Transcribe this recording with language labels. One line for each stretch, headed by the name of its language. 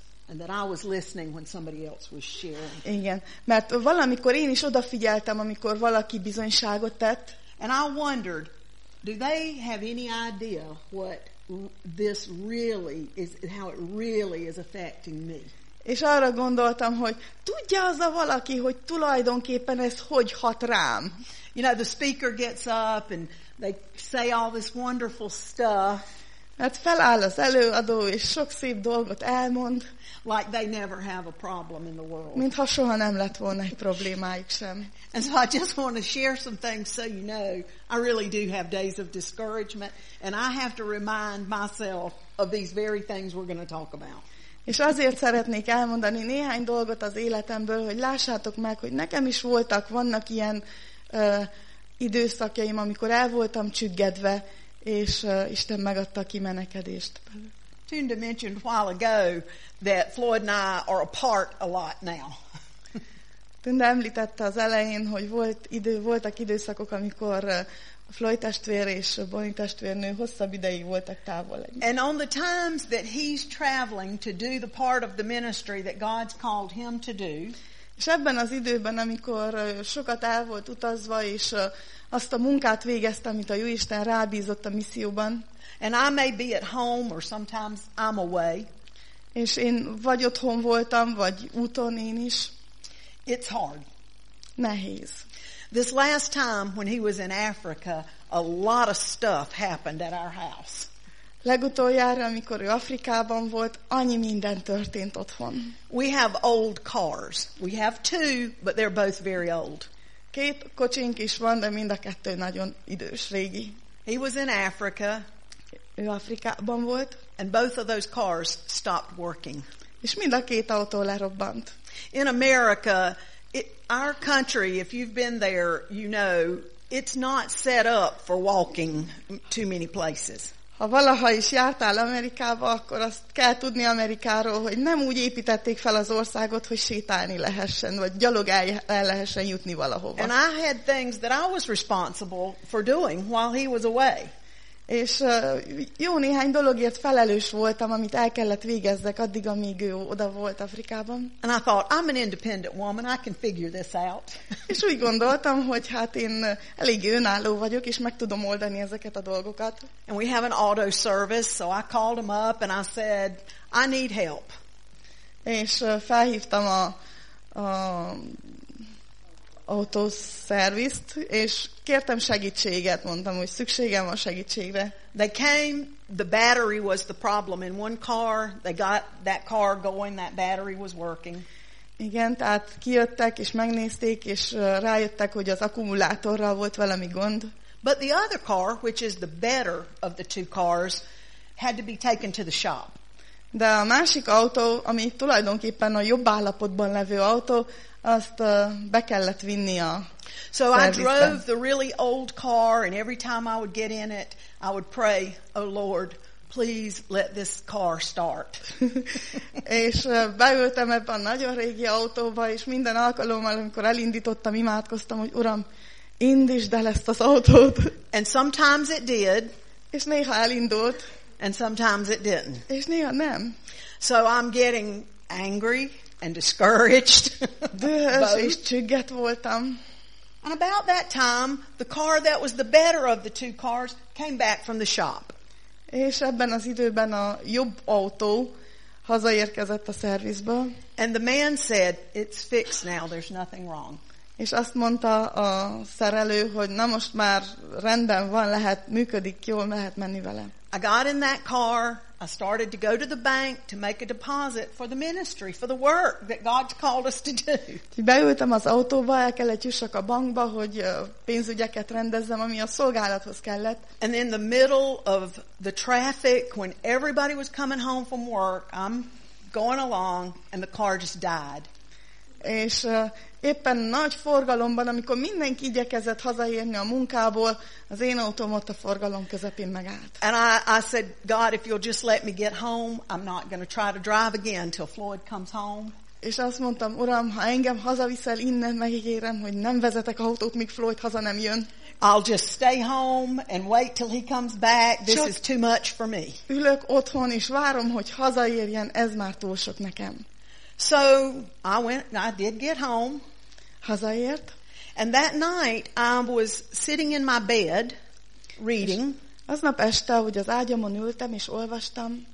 English: and that I was listening when somebody else was sharing.
Hungarian: Igen, mert valamikor én is odafigyeltem, amikor valaki bizonyságot tett.
English: And I wondered, do they have any idea what this really is, how it really is affecting me?
Hungarian: És arra gondoltam, hogy tudja az a valaki, hogy tulajdonképpen ez hogy hat rám.
English: You know, the speaker gets up and they say all this wonderful stuff.
Hungarian: Mert feláll az előadó, és sok szép dolgot elmond.
English: Like they never have a problem in the world.
Hungarian: Mintha soha nem lett volna egy problémájuk sem.
English: And so I just want to share some things so you know, I really do have days of discouragement, and I have to remind myself of these very things we're going to talk about.
Hungarian: És azért szeretnék elmondani néhány dolgot az életemből, hogy lássátok meg, hogy nekem is voltak, vannak ilyen időszakjaim, amikor el voltam csüggedve, és Isten megadta a kimenekedést.
English: Tünde mentioned while ago that Floyd and I are apart a lot now.
Hungarian: Tünde említette az elején, hogy voltak időszakok, amikor Floyd testvér és Bonnie testvérnő hosszabb ideig voltak távol.
English: And on the times that he's traveling to do the part of the ministry that God's called him to do.
Hungarian: És ebben az időben, amikor sokat el volt utazva, és azt a munkát végezte, amit a Jóisten rábízott a misszióban.
English: And I may be at home, or sometimes I'm away.
Hungarian: És én vagy otthon voltam, vagy úton én is.
English: It's hard.
Hungarian: Nehéz.
English: This last time when he was in Africa, a lot of stuff happened at our house.
Hungarian: Legutoljára, amikor ő Afrikában volt, annyi minden történt otthon.
English: We have old cars. We have two, but they're both very old.
Hungarian: Két kocsink is van, de mind a kettő nagyon idős, régi.
English: He was in Africa.
Hungarian: Ő Afrikában volt.
English: And both of those cars stopped working.
Hungarian: És mind a két autó lerobbant.
English: In America, our country, if you've been there, you know, it's not set up for walking too many places.
Hungarian: Ha valaha is jártál Amerikába, akkor azt kell tudni Amerikáról, hogy nem úgy építették fel az országot, hogy sétálni lehessen, vagy gyalog el lehessen jutni valahova.
English: And I had things that I was responsible for doing while he was away.
Hungarian: És jó néhány dologért felelős voltam, amit el kellett végezzek addig, amíg ő oda volt Afrikában.
English: And I thought, I'm an independent woman, I can figure this out.
Hungarian: És úgy gondoltam, hogy hát én elég önálló vagyok, és meg tudom oldani ezeket a dolgokat.
English: And we have an auto service, so I called him up, and I said, I need help.
Hungarian: És felhívtam az autószervizt, és kértem segítséget, mondtam, hogy szükségem van segítségre.
English: They came, the battery was the problem in one car, they got that car going, that battery was working.
Hungarian: Igen, tehát kijöttek, és megnézték, és rájöttek, hogy az akkumulátorral volt valami gond.
English: But the other car, which is the better of the two cars, had to be taken to the shop.
Hungarian: De a másik autó, ami tulajdonképpen a jobb állapotban levő autó, azt be kellett vinni a szervizbe.
English: So I drove the really old car, and every time I would get in it, I would pray, oh Lord, please let this car start.
Hungarian: És beültem ebben a nagyon régi autóba, és minden alkalommal, amikor elindítottam, imádkoztam, hogy Uram, indítsd el ezt az autót.
English: And sometimes it did.
Hungarian: És néha elindult.
English: And sometimes it didn't.
Hungarian: És néha nem.
English: So I'm getting angry and discouraged.
Hungarian: Dühös és csügget voltam.
English: And about that time, the car that was the better of the two cars came back from the shop.
Hungarian: És ebben az időben a jobb autó hazaérkezett a szervizbe.
English: And the man said, it's fixed now, there's nothing wrong.
Hungarian: És azt mondta a szerelő, hogy na most már rendben van, lehet, működik, jól mehet menni vele.
English: I got in that car, I started to go to the bank to make a deposit for the ministry, for the work that God's called us to do.
Hungarian: Beültem az autóba, el kellett jussak a bankba, hogy pénzügyeket rendezzem, ami a szolgálathoz kellett.
English: And in the middle of the traffic, when everybody was coming home from work, I'm going along, and the car just died.
Hungarian: És éppen nagy forgalomban, amikor mindenki igyekezett hazaérni a munkából, az én autóm ott a forgalom közepén megállt.
English: And I said, God, if you'll just let me get home, I'm not going to try to drive again till Floyd comes home.
Hungarian: És azt mondtam, Uram, ha engem hazaviszel innen, megígérem, hogy nem vezetek autót, míg Floyd haza nem jön.
English: I'll just stay home and wait till he comes back. This is too much for me.
Hungarian: Ülök otthon és várom, hogy hazaérjen, ez már túl sok nekem.
English: So I went and I did get home.
Hungarian: Hazaért.
English: And that night I was sitting in my bed reading.
Hungarian: Aznap este, hogy az ágyamon ültem és olvastam.